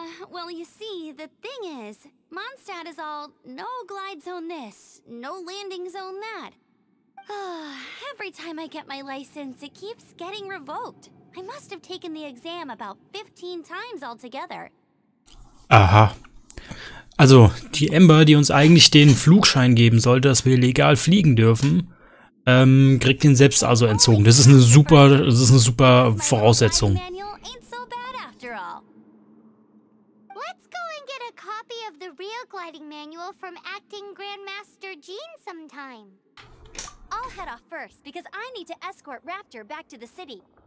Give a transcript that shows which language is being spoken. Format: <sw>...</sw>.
<en>Well, you see, the thing is, Mondstadt is all no glide zone this, no landing zone that. Oh, every time I get my license, it keeps getting revoked. I must have taken the exam about 15 times altogether. Aha.</en> <de>Also, die Ember, die uns eigentlich den Flugschein geben sollte, dass wir legal fliegen dürfen, kriegt den selbst also entzogen. Das ist eine super Voraussetzung.</de> <en>Let's go and get a copy of the real gliding manual from acting Grandmaster Jean sometime. I'll head off first, because I need to escort Rafter back to the city.</en>